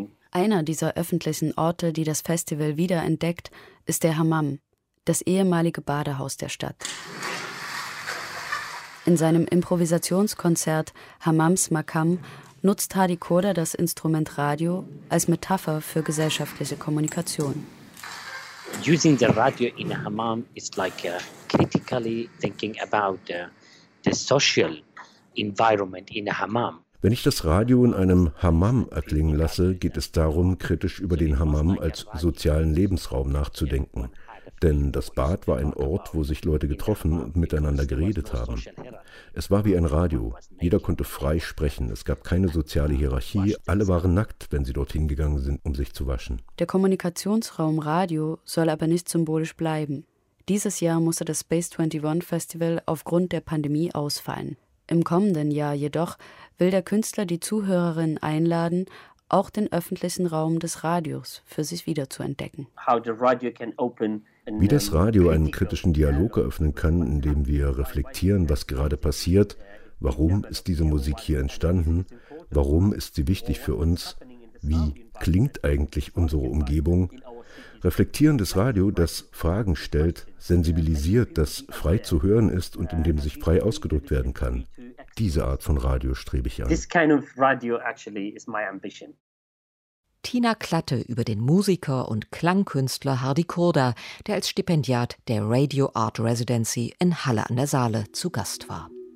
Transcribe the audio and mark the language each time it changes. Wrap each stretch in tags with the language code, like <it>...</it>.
<de>Einer dieser öffentlichen Orte, die das Festival wiederentdeckt, ist der Hammam, das ehemalige Badehaus der Stadt. In seinem Improvisationskonzert Hammams Makam nutzt Hadi Korda das Instrument Radio als Metapher für gesellschaftliche Kommunikation.</de> <en>Using the radio in a hammam is like critically thinking about the social environment in a hammam.</en> <de>Wenn ich das Radio in einem Hammam erklingen lasse, geht es darum, kritisch über den Hammam als sozialen Lebensraum nachzudenken. Denn das Bad war ein Ort, wo sich Leute getroffen und miteinander geredet haben. Es war wie ein Radio. Jeder konnte frei sprechen. Es gab keine soziale Hierarchie. Alle waren nackt, wenn sie dorthin gegangen sind, um sich zu waschen. Der Kommunikationsraum Radio soll aber nicht symbolisch bleiben. Dieses Jahr musste das Space 21 Festival aufgrund der Pandemie ausfallen. Im kommenden Jahr jedoch will der Künstler die Zuhörerinnen einladen, auch den öffentlichen Raum des Radios für sich wieder zu entdecken. Wie das Radio einen kritischen Dialog eröffnen kann, indem wir reflektieren, was gerade passiert, warum ist diese Musik hier entstanden, warum ist sie wichtig für uns, wie klingt eigentlich unsere Umgebung. Reflektierendes Radio, das Fragen stellt, sensibilisiert, das frei zu hören ist und in dem sich frei ausgedrückt werden kann. Diese Art von Radio strebe ich an.</de> <en>This kind of radio actually is my ambition.</en> <de>Tina Klatte über den Musiker und Klangkünstler Hardy Korda, der als Stipendiat der Radio Art Residency in Halle an der Saale zu Gast war.</de>